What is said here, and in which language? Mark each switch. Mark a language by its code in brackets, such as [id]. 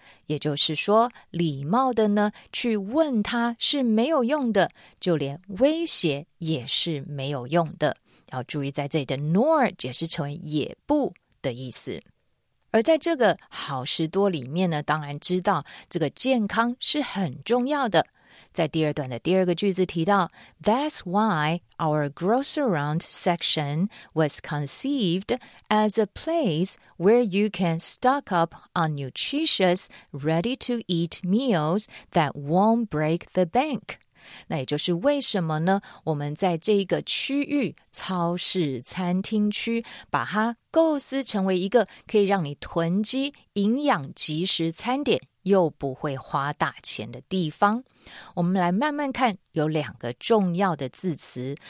[zh] 也就是说，礼貌的呢，去问他是没有用的，就连威胁也是没有用的。要注意在这里的 nor 解释成为也不的意思。而在这个好时多里面呢，当然知道这个健康是很重要的。在第二段的第二个句子提到 [en] That's why our grocerant section was conceived as a place where you can stock up on nutritious, ready-to-eat meals that won't break the bank. [zh] 那也就是为什么呢？我们在这个区域，超市餐厅区，把它构思成为一个可以让你囤积营养即时餐点又不会花大钱的地方。我们来慢慢看，有两个重要的字词。